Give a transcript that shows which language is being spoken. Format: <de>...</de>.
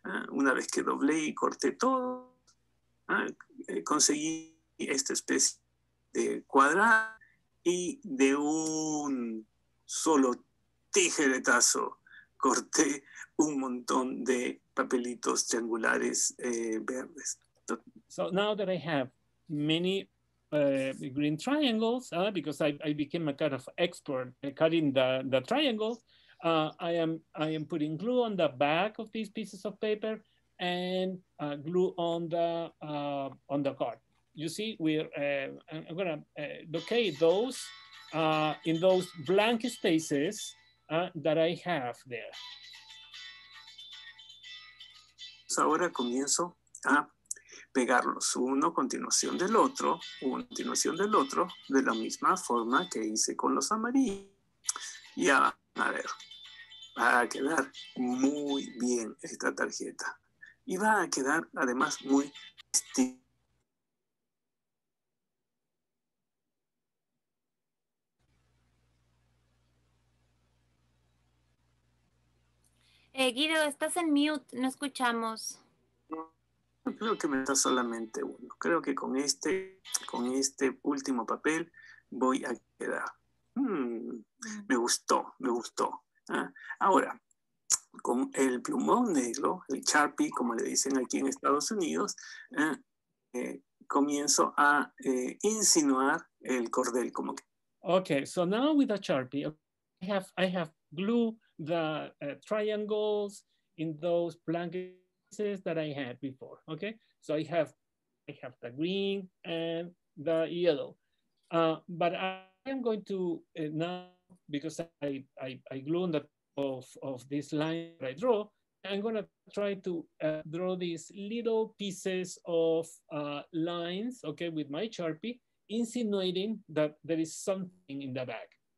<es>Una vez que doblé y corté todo, conseguí esta especie de cuadrado y de un solo tijeretazo corté un montón de papelitos triangulares verdes.</es> <en>So now that I have many green triangles, because I became a kind of expert cutting the triangles, I am putting glue on the back of these pieces of paper and glue on the card. You see, I'm gonna locate those in those blank spaces that I have there.</en> <es>Ahora comienzo a pegarlos uno a continuación del otro, uno a continuación del otro, de la misma forma que hice con los amarillos. Ya, a ver. Va a quedar muy bien esta tarjeta. Y va a quedar además muy estilo. Guido, estás en mute, no escuchamos. No, creo que me da solamente uno. Creo que con este último papel voy a quedar. Me gustó. Ahora, con el plumón negro, el Sharpie, como le dicen aquí en Estados Unidos, comienzo a insinuar el cordel. Como que.</es> <en>Okay, so now with a Sharpie, I have glue the triangles in those blank spaces that I had before. Okay, so I have the green and the yellow, but I am going to now, because I glue on the top of this line that I draw, I'm gonna try to draw these little pieces of lines, okay, with my Sharpie, insinuating that there is something in the back.</en>